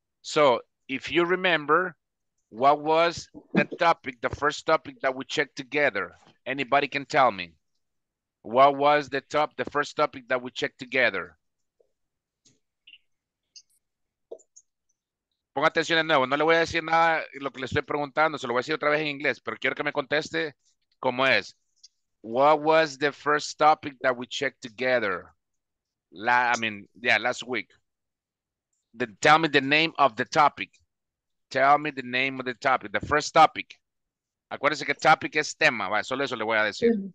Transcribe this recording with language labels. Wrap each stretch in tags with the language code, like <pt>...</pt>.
<en>So if you remember, what was the topic, the first topic that we checked together? Anybody can tell me. What was the first topic that we checked together?</en> <es>Ponga atención de nuevo, no le voy a decir nada lo que le estoy preguntando, se lo voy a decir otra vez en inglés, pero quiero que me conteste cómo es.</es> <en>What was the first topic that we checked together? Last week. Tell me the name of the topic. Tell me the name of the topic, the first topic.</en> <es>Acuérdense que topic es tema, vale, solo eso le voy a decir.</es>